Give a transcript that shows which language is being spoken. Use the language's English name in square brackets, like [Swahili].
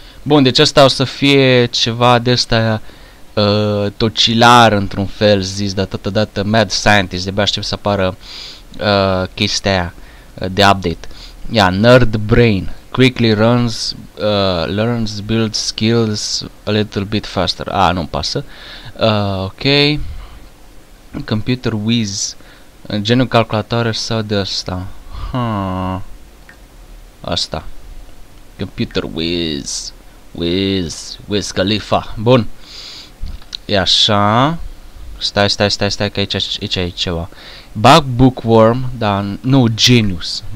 [Romanian] Bun, deci ăsta o să fie ceva de-asta tocilar, într-un fel zis, dar totodată [English] mad scientist. [Romanian] De-abia aștept să apară chestia de update. Ia, [English] nerd brain. Quickly runs, learns, builds skills a little bit faster. [Romanian] Nu-mi pasă. Ok. [English] Computer whiz. [Romanian] Genul calculator sau de asta? Asta. [English] Computer whiz. [Romanian] Wiz Khalifa. Bun. E așa. Stai că aici e ceva. [English] Bug bookworm, [Romanian] dar nu, genius.